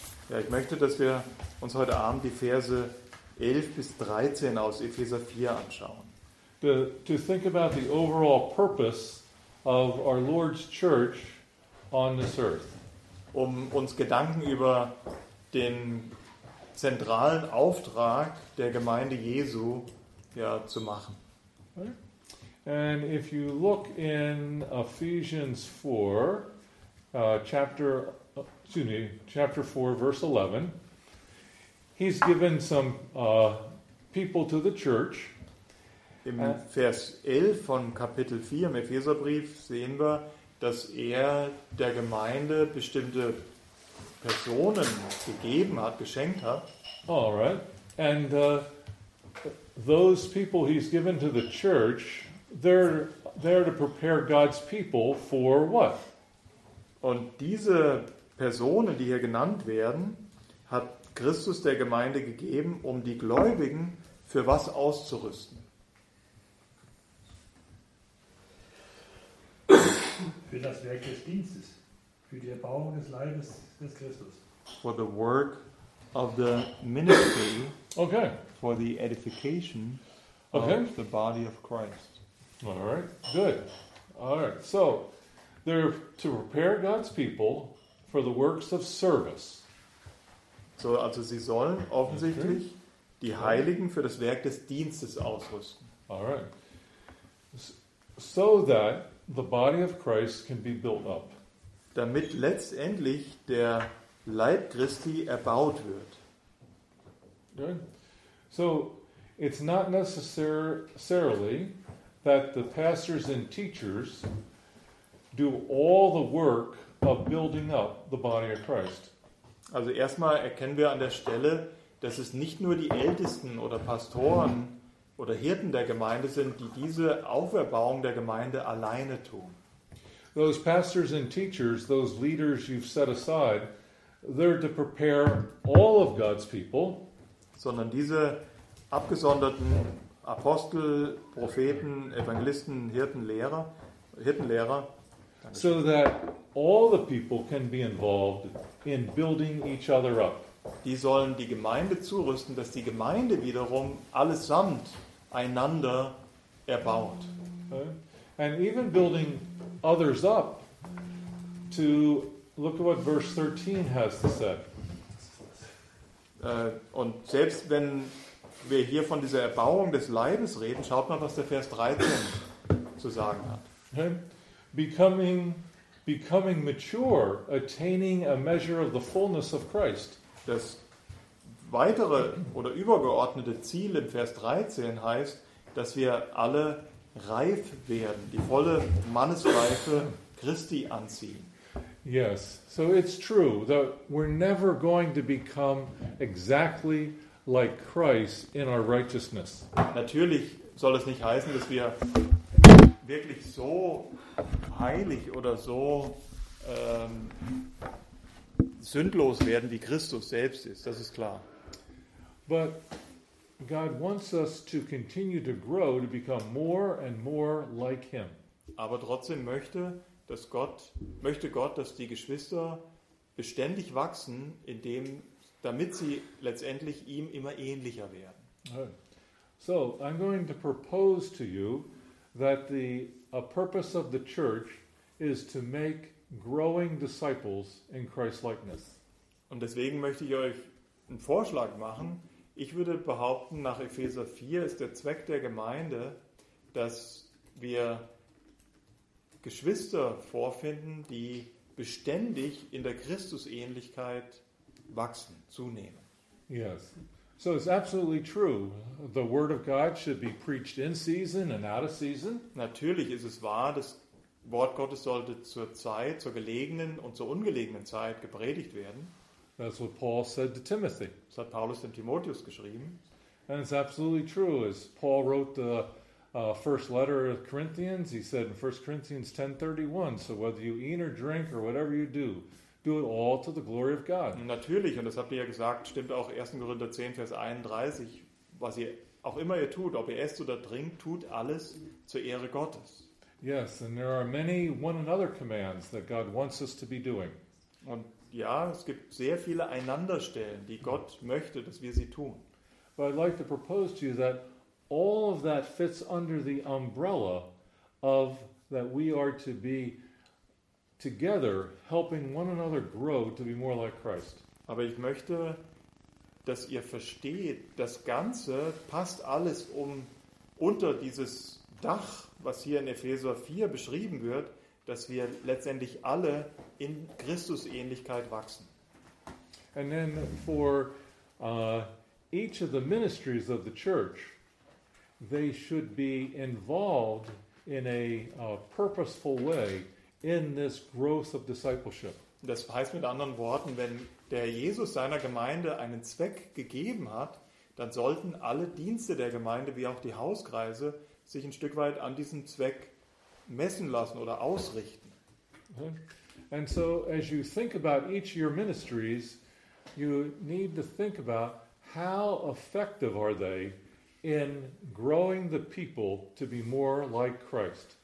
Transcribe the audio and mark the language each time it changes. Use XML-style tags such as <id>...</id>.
<de>Ja, ich möchte, dass wir uns heute Abend die Verse 11 bis 13 aus Epheser 4 anschauen.</de> <en>To think about the overall purpose of our Lord's church on this earth.</en> <de>Um uns Gedanken über den zentralen Auftrag der Gemeinde Jesu zu machen.</de> <en>Okay. And if you look in Ephesians 4, chapter 4, verse 11, he's given some people to the church.</en> <de>Im Vers 11 von Kapitel 4 im Epheserbrief sehen wir, dass der Gemeinde bestimmte Personen gegeben hat, geschenkt hat.</de> <en>All right. And those people he's given to the church, They're to prepare God's people for what?</en> <de>Und diese Personen, die hier genannt werden, hat Christus der Gemeinde gegeben, um die Gläubigen für was auszurüsten? Für das Werk des Dienstes, für die Erbauung des Leibes des Christus.</de> <en>For the work of the ministry. Okay. For the edification. of the body of Christ. All right, good. All right, so they're to prepare God's people for the works of service.</en> <de>So, also sie sollen offensichtlich die Heiligen für das Werk des Dienstes ausrüsten.</de> <en>All right. So that the body of Christ can be built up.</en> <de>Damit letztendlich der Leib Christi erbaut wird.</de> <en>Good. So, it's not necessarily that the pastors and teachers do all the work of building up the body of Christ.</en> <de>Also erstmal erkennen wir an der Stelle, dass es nicht nur die Ältesten oder Pastoren oder Hirten der Gemeinde sind, die diese Auferbauung der Gemeinde alleine tun.</de> <en>Those pastors and teachers, those leaders you've set aside, they're to prepare all of God's people.</en> <de>Sondern diese abgesonderten Apostel, Propheten, Evangelisten, Hirtenlehrer.</de> <en>So that all the people can be involved in building each other up.</en> <de>Die sollen die Gemeinde zurüsten, dass die Gemeinde wiederum allesamt einander erbaut.</de> <en>Okay. And even building others up to look at what verse 13 has to say.</en> <de>Und selbst wenn wir hier von dieser Erbauung des Leibes reden, schaut mal, was der Vers 13 zu sagen hat.</de> <en>Okay. Becoming mature, attaining a measure of the fullness of Christ.</en> <de>Das weitere oder übergeordnete Ziel im Vers 13 heißt, dass wir alle reif werden, die volle Mannesreife Christi anziehen.</de> <en>Yes, so it's true that we're never going to become exactly like Christ in our righteousness.</en> <de>Natürlich soll es nicht heißen, dass wir wirklich so heilig oder so sündlos werden, wie Christus selbst ist. Das ist klar.</de> <en>But God wants us to continue to grow, to become more and more like Him.</en> <de>Aber trotzdem möchte Gott, dass die Geschwister beständig wachsen, damit sie letztendlich ihm immer ähnlicher werden.</de> <en>So, I'm going to propose to you that a purpose of the church is to make growing disciples in Christ-likeness.</en> <de>Und deswegen möchte ich euch einen Vorschlag machen. Ich würde behaupten, nach Epheser 4 ist der Zweck der Gemeinde, dass wir Geschwister vorfinden, die beständig in der Christusähnlichkeit wachsen, zunehmen.</de> <en>Yes. So it's absolutely true. The word of God should be preached in season and out of season.</en> <de>Natürlich ist es wahr, das Wort Gottes sollte zur Zeit, zur gelegenen und zur ungelegenen Zeit gepredigt werden.</de> <en>That's what Paul said to Timothy.</en> <de>Das hat Paulus dem Timotheus geschrieben.</de> <en>And it's absolutely true. As Paul wrote the first letter of Corinthians, he said in 1 Corinthians 10:31, so whether you eat or drink or whatever you do, do it all to the glory of God.</en> <de>Natürlich, und das habt ihr ja gesagt, stimmt auch 1. Korinther 10, Vers 31, was ihr auch immer ihr tut, ob ihr esst oder trinkt, tut alles zur Ehre Gottes.</de> <en>Yes, and there are many one another commands that God wants us to be doing.</en> <de>Und ja, es gibt sehr viele Einanderstellen, die Gott möchte, dass wir sie tun.</de> <en>But I'd like to propose to you that all of that fits under the umbrella of that we are to be together helping one another grow to be more like Christ.</en> <de>Aber ich möchte, dass ihr versteht, das Ganze passt alles unter dieses Dach, was hier in Epheser 4 beschrieben wird, dass wir letztendlich alle in Christusähnlichkeit wachsen.</de> <en>And then for each of the ministries of the church, they should be involved in a purposeful way in this growth of discipleship.</en> <de>Das heißt mit anderen Worten, wenn der Jesus seiner Gemeinde einen Zweck gegeben hat, dann sollten alle Dienste der Gemeinde, wie auch die Hauskreise, sich ein Stück weit an diesem Zweck messen lassen oder ausrichten.</de> <en>And so as you think about each of your ministries, you need to think about how effective are they in growing the people to be more like Christ.</en>